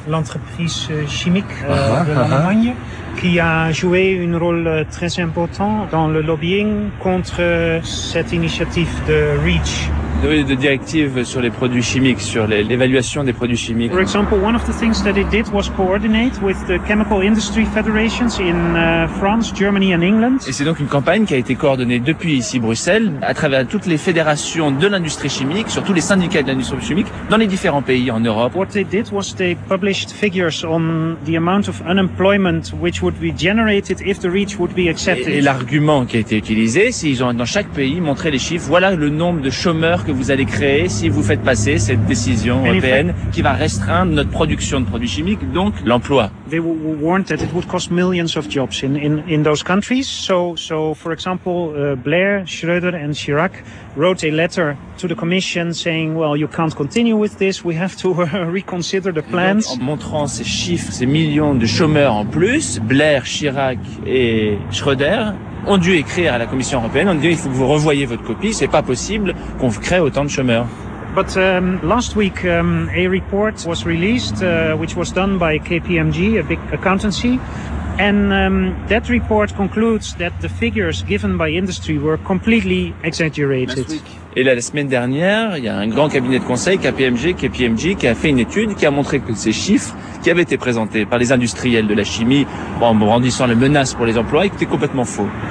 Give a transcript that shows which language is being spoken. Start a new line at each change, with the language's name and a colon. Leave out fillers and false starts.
French: L'entreprise chimique de l'Allemagne, qui a joué un rôle très important dans le lobbying contre cette initiative de REACH. De directives sur les produits chimiques, sur l'évaluation des produits chimiques.
English: For example, one of the things that it did was coordinate with the chemical industry federations in France, Germany and England.
French: Et c'est donc une campagne qui a été coordonnée depuis ici Bruxelles à travers toutes les fédérations de l'industrie chimique, surtout les syndicats de l'industrie chimique dans les différents pays en Europe.
English: What they did was they published figures on the amount of unemployment which would be generated if the REACH would be accepted.
French: Et l'argument qui a été utilisé, c'est qu'ils ont dans chaque pays montré les chiffres, voilà le nombre de chômeurs que vous allez créer si vous faites passer cette décision européenne qui va restreindre notre production de produits chimiques, donc l'emploi.
English: They warned that it would cost millions of jobs in those countries. So for example, Blair, Schröder and Chirac wrote a letter to the commission saying, well, you can't continue with this, we have to reconsider the plans.
French: En montrant ces chiffres, ces millions de chômeurs en plus, Blair, Chirac et Schröder ont dû écrire à la Commission européenne, ont dit il faut que vous revoyiez votre copie, c'est pas possible qu'on crée autant de chômeurs.
English: But last week a report was released which was done by KPMG, a big accountancy. And that report concludes that the figures given by industry were completely exaggerated.
French: Et là, la semaine dernière, il y a un grand cabinet de conseil, KPMG, qui a fait une étude qui a montré que ces chiffres qui avaient été présentés par les industriels de la chimie en brandissant les menaces pour les emplois étaient complètement faux.